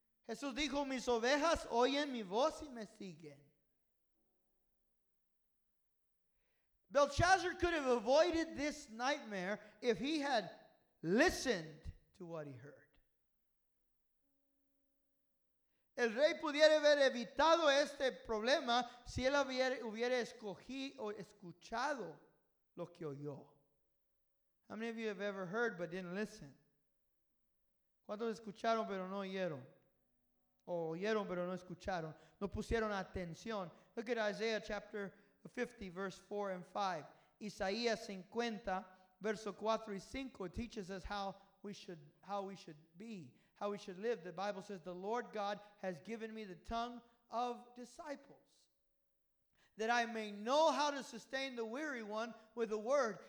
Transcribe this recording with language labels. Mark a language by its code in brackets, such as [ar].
[es] Jesús dijo, "Mis ovejas oyen mi voz y me siguen." [en] Belshazzar could have avoided this nightmare if he had listened to what he heard. [es] El rey pudiera haber evitado este problema si él hubiera escuchado lo que oyó. [en] How many of you have ever heard but didn't listen? [es] ¿Cuántos escucharon pero no oyeron? O oyeron pero no escucharon. No pusieron atención. [en] Look at Isaiah chapter 50, verse 4 and 5. [es] Isaías 50, verso 4 y 5 [en] teaches us how we should be, how we should live. The Bible says, "The Lord God has given me the tongue of disciples, that I may know how to sustain the weary one with a word.